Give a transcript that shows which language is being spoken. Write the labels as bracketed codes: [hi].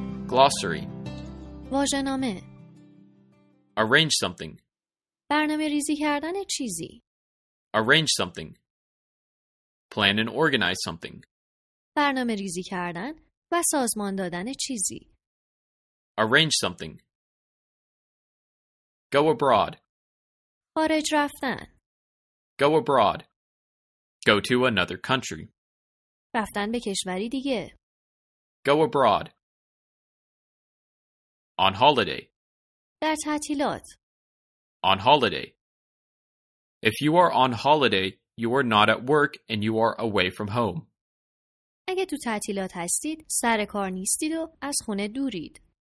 [en] Glossary. [fa] واژه‌نامه. [en] Arrange something. [fa] برنامه ریزی کردن چیزی. [en] Arrange something. Plan and organize something. [fa] برنامه ریزی کردن و سازمان دادن چیزی. [en] Arrange something. Go abroad. [fa] خارج رفتن. [en] Go abroad. Go to another country. [fa] رفتن به کشوری دیگه. [en] Go abroad. On holiday. [fa] در تعطیلات. [en] On holiday. If you are on holiday, you are not at work and you are away from home. [fa] اگه تو تعطیلات هستید، سر کار نیستید و از خونه دورید.